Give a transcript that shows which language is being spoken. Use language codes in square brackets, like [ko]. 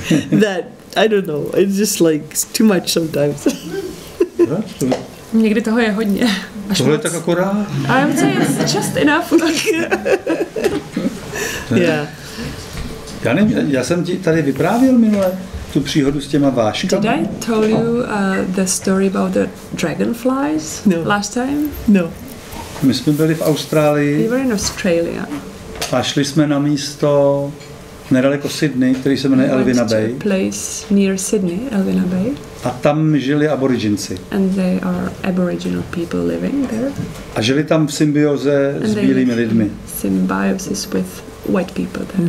[en] That, I don't know, it's just like too much sometimes. [cs] Někdy toho je hodně. Tohle je tak akorát. [en] I would say it's just enough. Yeah. [cs] Já nevím, já jsem ti tady vyprávěl minule tu příhodu s těma váškama. [en] Did I tell you the story about the dragonflies no. last time? No. [cs] My jsme byli v Austrálii. [en] We were in Australia. [cs] A šli jsme na místo nedaleko Sydney, který se jmenuje Elvina Bay. [en] To a place near Sydney, Elvina Bay. [cs] A tam žili aboriginci. [en] And they are aboriginal people living there. [cs] A žili tam v symbioze s bílými lidmi. [en] Symbiosis with white people there.